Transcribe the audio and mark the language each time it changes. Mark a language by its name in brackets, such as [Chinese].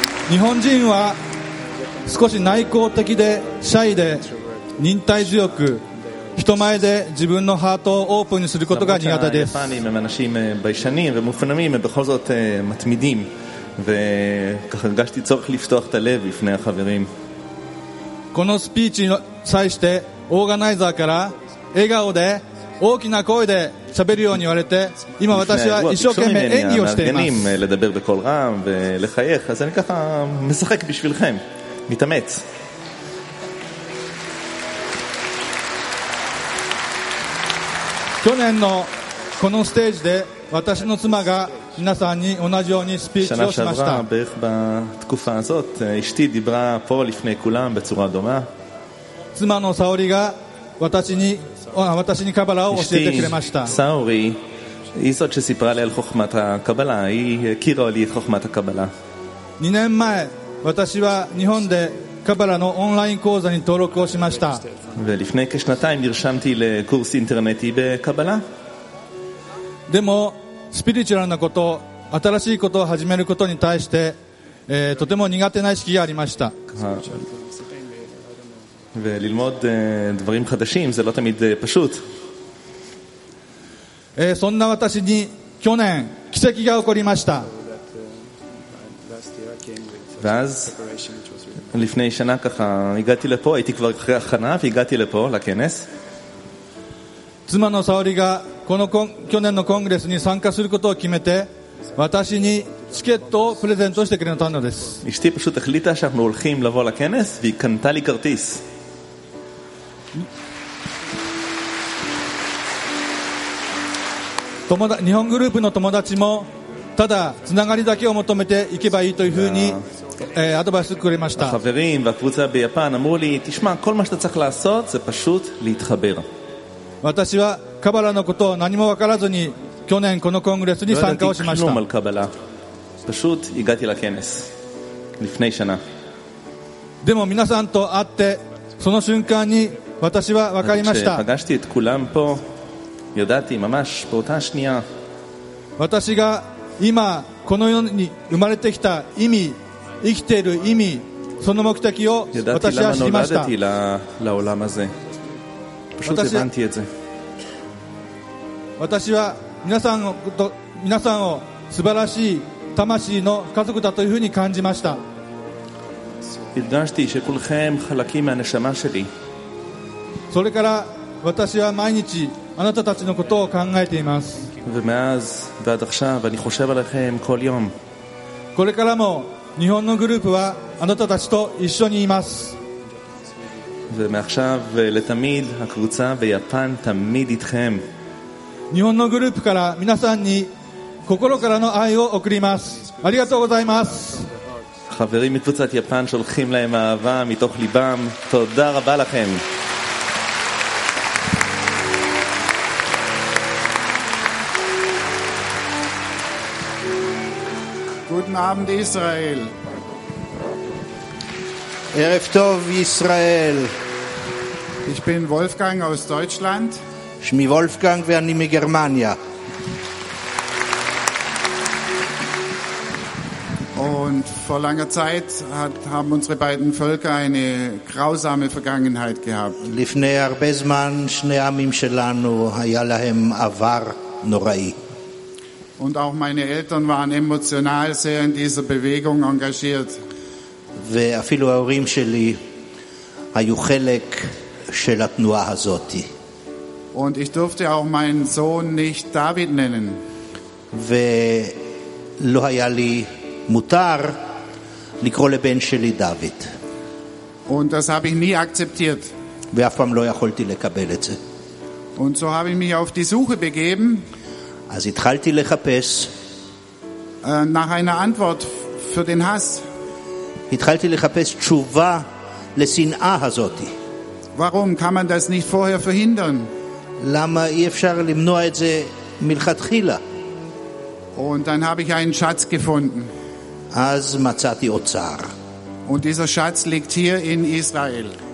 [Japanese] Japanese は少し内向的でシャイで忍耐強く人前で自分のハートをオープンにすることが苦手です。 [Hebrew] Japanese は אנשים ביישנים ומופנמים ובכל זאת מתמידים וככה הרגשתי צורך לפתוח את הלב לפני החברים. [Japanese] このスピーチに際してオーガナイザーから笑顔で大きな声で喋るように言われて、今私は一生懸命演技をしています。去年のこのステージで私の妻が皆さんに同じようにスピーチをしました。 [Hebrew] בערך בתקופה הזאת, אשתי דיברה פה לפני כולם בצורה דומה. [Japanese] 妻のサオリが私にカバラを教えてくれました。サオリ、イソチェシプラレルホクマタカバラ、イキロリホクマタカバラ。 2年前、私は日本でカバラのオンライン講座に登録をしました。 [Hebrew] ולפני כשנתיים נרשמתי לקורס אינטרנטי בקבלה. [Japanese] でもスピリチュアルなこと、新しいことを始めることに対して、とても苦手な意識がありました。 [Hebrew] וללמוד דברים חדשים זה לא תמיד פשוט. [Japanese] そんな私に去年奇跡が起こりました。 [Hebrew] ואז לפני שנה ככה הגעתי לפה, הייתי כבר אחרי הכנה והגעתי לפה לכנס. [Japanese] 妻のサオリがこの去年のコングレスに参加することを決めて私にチケットをプレゼントしてくれたのです。 [Hebrew] אשתי פשוט החליטה שאנחנו הולכים לבוא לכנס והיא קנתה לי כרטיס. [Japanese] 日本グループの友達もただつながりだけを求めて行けばいいというふうにアドバイスくれました。 [Hebrew] החברים והקבוצה ביפן אמרו לי, תשמע, כל מה שאתה צריך לעשות זה פשוט להתחבר. [Japanese] 私はカバラのことを何も分からずに去年このコングレスに参加をしました。 [Hebrew] לא ידעתי כלום על קבלה. פשוט הגעתי לכנס לפני שנה. [Japanese] でも皆さんと会ってその瞬間に私は分かりました。 [Hebrew] כשפגשתי את כולם פה, ידעתי ממש באותה שנייה. [Japanese] 私が今この世に生まれてきた意味、生きている意味、その目的を私は知りました。 [Hebrew] ידעתי למה נולדתי לעולם הזה. פשוט הבנתי את זה. [Japanese] 私は皆さんを素晴らしい魂の家族だというふうに感じました。 [Hebrew] הרגשתי שכולכם חלקים מהנשמה שלי. [Japanese] それから私は毎日あなたたちのことを考えています。 [Hebrew] ומאז ועד עכשיו אני חושב עליכם כל יום. [Japanese] これからも日本のグループはあなたたちと一緒にいます。 [Hebrew] ומעכשיו לתמיד הקבוצה ביפן תמיד איתכם. [Japanese] 日本のグループから皆さんに心からの愛を送ります。ありがとうございます。 [Hebrew] חברים מקבוצת יפן שולחים להם אהבה מתוך ליבם. תודה רבה לכם. [German] Guten Abend Israel. [Hebrew] ערב טוב ישראל. [German] Ich bin Wolfgang aus Deutschland. [Hebrew] שמי וולפגנג ואני מגרמניה. [German] Und vor langer Zeit haben unsere beiden Völker eine grausame Vergangenheit gehabt. [Hebrew] לפני הרבה זמן שני עמים שלנו היה להם עבר נוראי. [German] Und auch meine Eltern waren emotional sehr in dieser Bewegung engagiert. [Hebrew] ואפילו ההורים שלי היו חלק של התנועה הזאת. [German] Und ich durfte auch meinen Sohn nicht David nennen. [Hebrew] ולא היה לי מותר לקרוא לבן שלי דוד. [German] Und das habe ich nie akzeptiert. [Hebrew] ואף פעם לא יכולתי לקבל את זה. [German] Und so habe ich mich auf die Suche begeben. [Hebrew] אז התחלתי לחפש [German] nach einer Antwort für den Hass. [Hebrew] התחלתי לחפש תשובה לשנאה הזאת. [German] Warum kann man das nicht vorher verhindern? [Hebrew] למה אי אפשר למנוע את זה מלכתחילה? [German] Und dann habe ich einen Schatz gefunden. [Hebrew] אז מצאתי אוצר. [German] Und dieser Schatz liegt hier in Israel.